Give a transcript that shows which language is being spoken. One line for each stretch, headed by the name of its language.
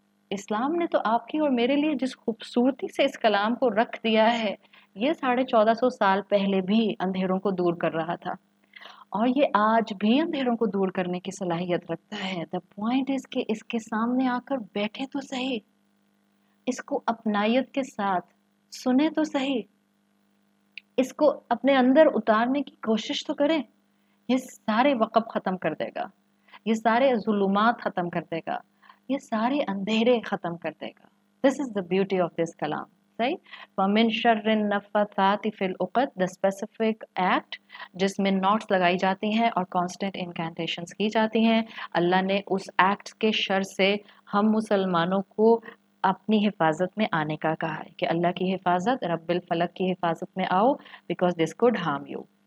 Urdu: اسلام نے تو آپ کی اور میرے لیے جس خوبصورتی سے اس کلام کو رکھ دیا ہے, یہ 1450 سال پہلے بھی اندھیروں کو دور کر رہا تھا اور یہ آج بھی اندھیروں کو دور کرنے کی صلاحیت رکھتا ہے.
English: the point is
Urdu: کہ اس کے سامنے آ کر بیٹھے تو صحیح, اس کو اپنائیت کے ساتھ سنیں تو صحیح, اس کو اپنے اندر اتارنے کی کوشش تو کریں. یہ سارے وقب ختم کر دے گا, یہ سارے ظلمات ختم کر دے گا, یہ سارے اندھیرے ختم کر دے گا.
English: This is the beauty of this کلام.
Arabic: وَمِن شَرِّ النَّفَّثَاتِ فِي الْعُقَدِ,
English: the specific act
Urdu: جس میں knots لگائی جاتی ہیں اور
English: constant incantations
Urdu: کی جاتی ہیں, اللہ نے اس act کے شر سے ہم مسلمانوں کو اپنی حفاظت میں آنے کا کہا ہے کہ اللہ کی حفاظت, رب الفلق کی حفاظت میں آؤ,
English: because this could harm you.